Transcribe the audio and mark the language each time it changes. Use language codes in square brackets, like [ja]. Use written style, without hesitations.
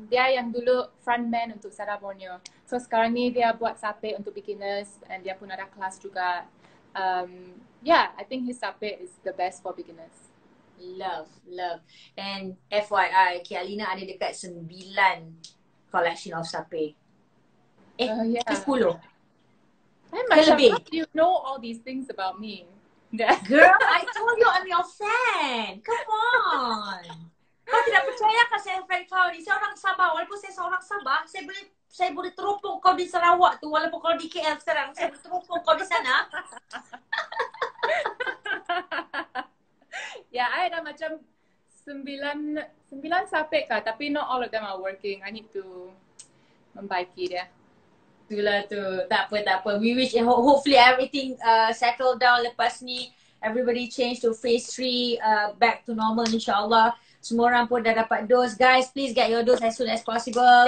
[ms] Dia yang dulu frontman untuk Sarah Borneo. [en] So [ms] sekarang ni dia buat sape untuk beginners [en] and [ms] dia pun ada kelas juga. [en] I think his sape is the best for beginners. Love. And FYI, Kialina [ms] ada dekat [en] 9 collection of sape. [ms] Ke 10? Ke lebih? [en] How do you know all these things about me? Girl, I told you I'm your fan. Come on. [ms] Kau tidak percaya kan saya fan kau ni? Saya orang Sabah. Walaupun saya seorang Sabah, saya boleh saya boleh terhubung kau di Sarawak tu, walaupun kau di KL sekarang, saya boleh terhubung kau di sana. Ya, [en] yeah, I [ms] ada macam [en] 9 [ms] sampai kah, tapi [en] not all of them are working. I need to [ms] membaiki dia. Itulah tu. Tak apa, tak apa. [en] We wish, hopefully everything settle down [ms] lepas ni. [en] Everybody change to phase 3, back to normal insyaAllah. [ms] Semua orang pun dah dapat dose. [en] Guys, please get your dose as soon as possible.